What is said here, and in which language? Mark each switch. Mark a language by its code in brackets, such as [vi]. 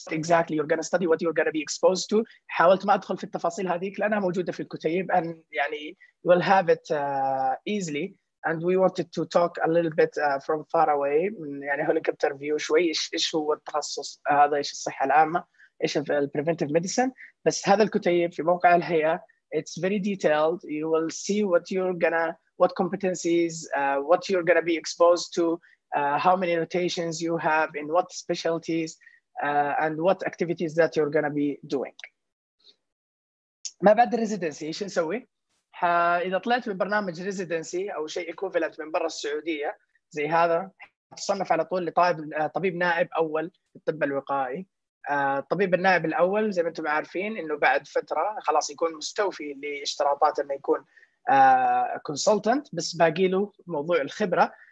[en] Exactly, you're gonna study what you're gonna be exposed to. [ar] حاولت ما أدخل في التفاصيل هذيك لأنها موجودة في الكتيب, and يعني [en] you will have it easily. And we wanted to talk a little bit from far away. يعني helicopter view شوي. [ar] إيش هو التخصص هذا؟ إيش الصحة العامة؟ إيش ال preventive medicine؟ بس هذا الكتيب في موقع الهيئة. [en] It's very detailed. You will see what you're gonna, what competencies, what you're gonna be exposed to. How many rotations you have in what specialties and what activities that you're going to be doing. [ar] ما بعد الريزيدنسي ايش نسوي؟ اذا طلعت من برنامج ريزيدنسي او شيء ايكوفالنت من برا السعوديه زي هذا تصنف على طول لطالب طبيب نائب اول في الطب الوقائي. الطبيب النائب الاول زي ما انتم عارفين انه بعد فتره خلاص يكون مستوفي لاشتراطات انه يكون كونسلتنت, بس باقي له موضوع الخبره.